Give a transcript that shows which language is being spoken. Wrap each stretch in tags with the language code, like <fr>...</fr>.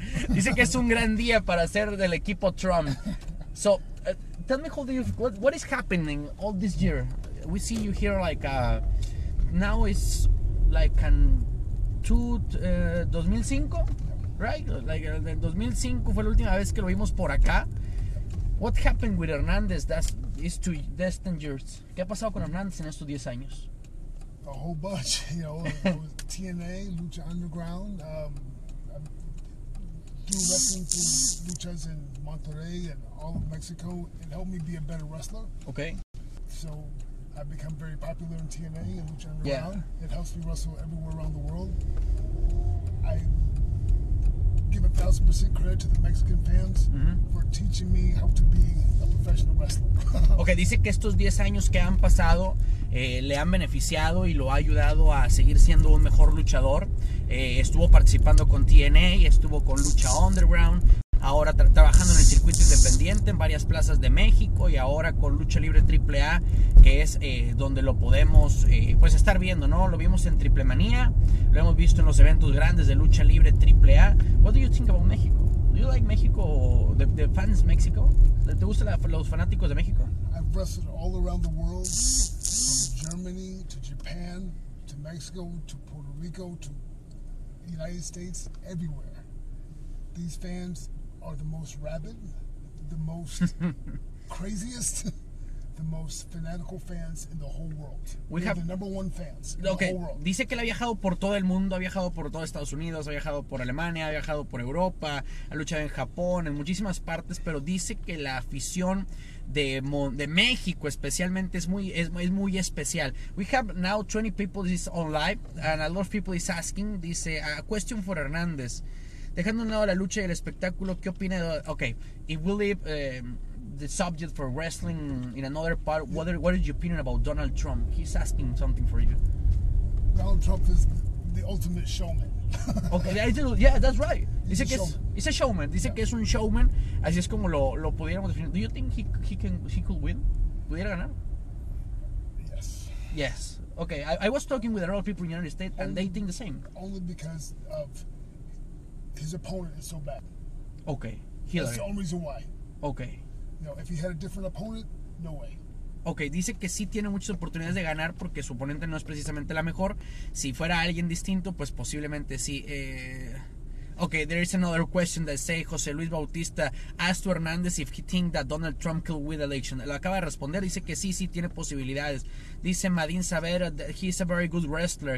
<es>Dice que es un gran día para ser del equipo Trump.</es> <en>So, tell me, what is happening all this year? We see you here like now it's like in 2005, right?</en> <es>Like 2005 fue la última vez que lo vimos por acá.</es> <en>What happened with Hernández? That's 10 years.</en> <es>¿Qué ha pasado con Hernández en estos 10 años?</es> <en>A whole bunch, you know, with TNA, Lucha Underground. I do wrestling through luchas in Monterrey and all of Mexico. It helped me be a better wrestler. Okay. So I've become very popular in TNA and Lucha Underground. Yeah. It helps me wrestle everywhere around the world. I give 1,000% credit to the Mexican fans for teaching me how to be a professional wrestler.</en> <es>Okay, dice que estos 10 años que han pasado le han beneficiado y lo ha ayudado a seguir siendo un mejor luchador. Estuvo participando con TNA, estuvo con Lucha Underground, ahora trabajando en el circuito independiente en varias plazas de México y ahora con Lucha Libre AAA, que es donde lo podemos pues estar viendo, ¿no? Lo vimos en Triple Manía, lo hemos visto en los eventos grandes de Lucha Libre AAA.</es> <en>What do you think about México? Do you like México, the fans Mexico?</en> <es>¿Te gustan los fanáticos de México?</es> <en>I've wrestled all around the world. Germany to Japan to Mexico to Puerto Rico to the United States, everywhere. These fans are the most rabid, the most craziest, the most fanatical fans in the whole world. We have the number one fans in the whole world.</en> <es>Dice que él ha viajado por todo el mundo, ha viajado por todo Estados Unidos, ha viajado por Alemania, ha viajado por Europa, ha luchado en Japón, en muchísimas partes, pero dice que la afición de México especialmente es muy especial.</es> <en>We have now 20 people is on live and a lot of people is asking, dice, a question for Hernández.</en> <es>Dejando un lado la lucha y el espectáculo, ¿qué opina de,</es> <en>okay, if we leave the subject for wrestling in another part, what is your opinion about Donald Trump? He's asking something for you. Donald Trump is the ultimate showman. Okay, yeah, that's right. He's a showman.</en> <es>Dice que es un showman. Así es como lo pudiéramos definir.</es> <en>Do you think he could win?</en> <es>¿Pudiera ganar?</es> <en>Yes. Yes. Okay. I was talking with a lot of people in the United States, and they think the same. Only because of his opponent is so bad. Okay. Hillary. That's the only reason why. Okay. You know, if he had a different opponent, no way. Okay.</en> <es>Dice que sí tiene muchas oportunidades de ganar porque su oponente no es precisamente la mejor. Si fuera alguien distinto, pues posiblemente sí.</es> <en>Okay, there is another question that say José Luis Bautista asked to Hernández if he think that Donald Trump could win the election.</en> <es>Lo acaba de responder, dice que sí, tiene posibilidades.</es> <en>Dice Madín Saavedra that he's a very good wrestler.</en>